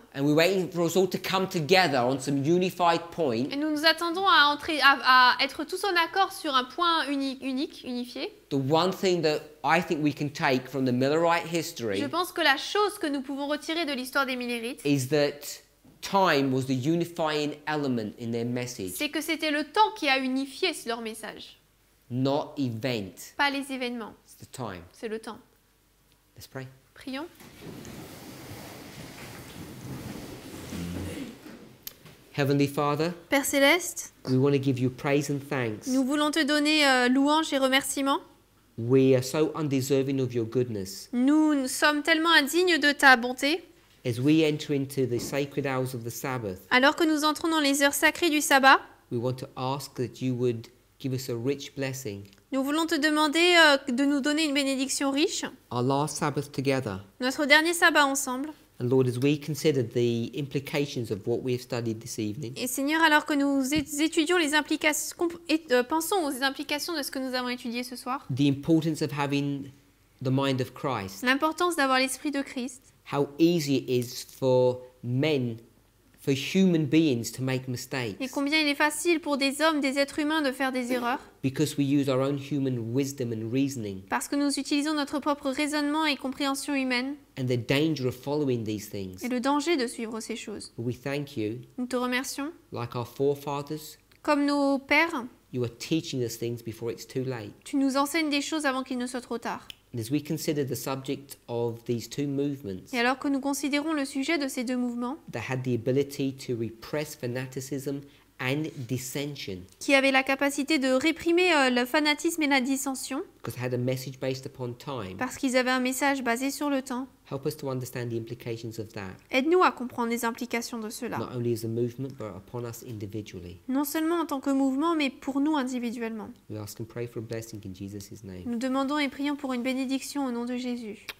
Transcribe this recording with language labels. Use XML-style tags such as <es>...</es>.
<en>And we're waiting for us all to come together on some unified point.</en> <fr>Et nous nous attendons à entrer à être tous en accord sur un point unique unifié.</fr> <en>The one thing that I think we can take from the Millerite history.</en> <fr>Je pense que la chose que nous pouvons retirer de l'histoire des Millerites.</fr> <en>Is that time was the unifying element in their message.</en> <fr>C'est que c'était le temps qui a unifié leur message.</fr> <en>Not event.</en> <fr>Pas les événements.</fr> <en>It's the time.</en> <fr>C'est le temps.</fr> <en>Let's pray.</en> <fr>Prions.</fr> <en>Heavenly Father.</en> <fr>Père céleste.</fr> <en>We want to give you praise and thanks.</en> <fr>Nous voulons te donner louange et remerciements.</fr> <en>We are so undeserving of your goodness.</en> <fr>Nous sommes tellement indignes de ta bonté.</fr> <en>As we enter into the sacred hours of the Sabbath,</en> <fr>alors que nous entrons dans les heures sacrées du sabbat,</fr> <en>we want to ask that you would give us a rich blessing.</en> <fr>Nous voulons te demander de nous donner une bénédiction riche.</fr> <en>Our last Sabbath together.</en> <fr>Notre dernier sabbat ensemble.</fr> <en>And Lord, as we consider the implications of what we have studied this evening.</en> <fr>Et Seigneur, alors que nous étudions les implications, pensons aux implications de ce que nous avons étudié ce soir.</fr> <en>The importance of having the mind of Christ.</en> <fr>L'importance d'avoir l'esprit de Christ.</fr> <en>How easy it is for men, for human beings to make mistakes.</en> <fr>Et combien il est facile pour des hommes, des êtres humains de faire des erreurs.</fr> <en>Because we use our own human wisdom and reasoning.</en> <fr>Parce que nous utilisons notre propre raisonnement et compréhension humaine.</fr> <en>And the danger of following these things.</en> <fr>Et le danger de suivre ces choses.</fr> <en>We thank you.</en> <fr>Nous te remercions.</fr> <en>Like our forefathers.</en> <fr>Comme nos pères.</fr> <en>You are teaching us things before it's too late.</en> <fr>Tu nous enseignes des choses avant qu'il ne soit trop tard.</fr> <en>As we consider the subject of these two movements,</en> <fr>et alors que nous considérons le sujet de ces deux mouvements,</fr> <en>that had the ability to repress fanaticism and dissension,</en> <fr>qui avaient la capacité de réprimer le fanatisme et la dissension,</fr> <en>because they had a message based upon time,</en> <fr>parce qu'ils avaient un message basé sur le temps,</fr> <en>help us to understand the implications of that.</en> <fr>Aide-nous à comprendre les implications de cela.</fr> <en>Not only as a movement, but upon us individually.</en> <fr>Non seulement en tant que mouvement, mais pour nous individuellement.</fr> <en>We ask and pray for a blessing in Jesus' name.</en> <fr>Nous demandons et prions pour une bénédiction au nom de Jésus.</fr>